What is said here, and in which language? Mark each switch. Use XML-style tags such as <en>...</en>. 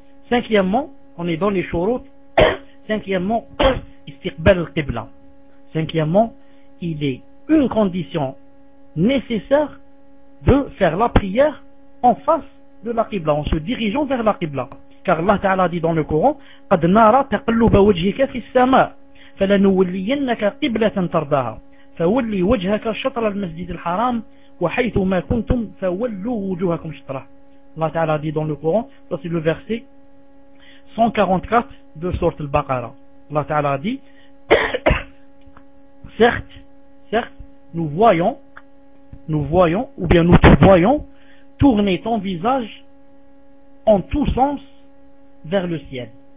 <fr>cinquièmement on est dans les shurut cinquièmement istiqbal al qibla cinquièmement il est une condition nécessaire de faire la prière en face de la Qibla, en se dirigeant vers la Qibla. Car Allah Ta'ala dit dans le Coran,</fr> <ar>قَدْ نَارَ تَقَلُّبَ وَجْهِكَ فِي السَّمَاءِ فَلَنُوَلِّيَنَّكَ قِبْلَةً تَرْضَاهَا فَوَلِّي وَجْهَكَ شَطْرَ الْمَسْجِدِ الْحَرَامِ وَحَيْثُ مَا كُنْتُمْ فَوَلُّوا وُجُوهَكُمْ شَطْرَهُ.</ar> <fr>Allah Ta'ala dit dans le Coran, ça c'est le verset 144 de Sourate Al-Baqara. Allah Ta'ala dit, certes, nous voyons, ou bien nous te voyons, tourner ton visage en tous sens vers le ciel.</fr>